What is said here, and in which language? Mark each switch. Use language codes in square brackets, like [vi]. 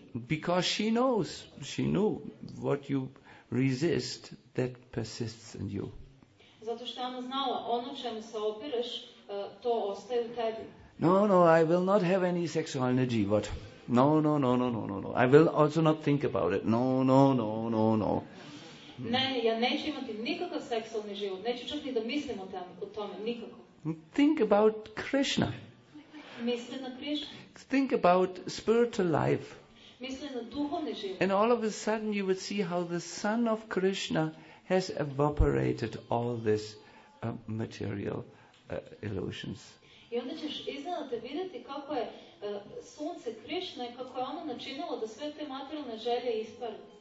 [en] Because she knows, she knew what you resist that persists in you. [sr] Zato što ona znala, ono čemu se opireš, to ostaje u tebi. [en] No, no, I will not have any sexual energy, but no. I will also not think about it. No. [sr] Ne, ja neću imati nikakav seksualni život, neću čak ni da mislim o tome, nikako. [en] Think about Krishna. [sr] Misli na Krishna. [en] Think about spiritual life. [sr] Misli na duhovni život. [en] And all of a sudden you would see how the son of Krishna has evaporated all this material illusions. [sr] I onda ćeš iznenada vidjeti kako je sunce Krishna i kako je ono načinilo da sve te materialne želje isparu.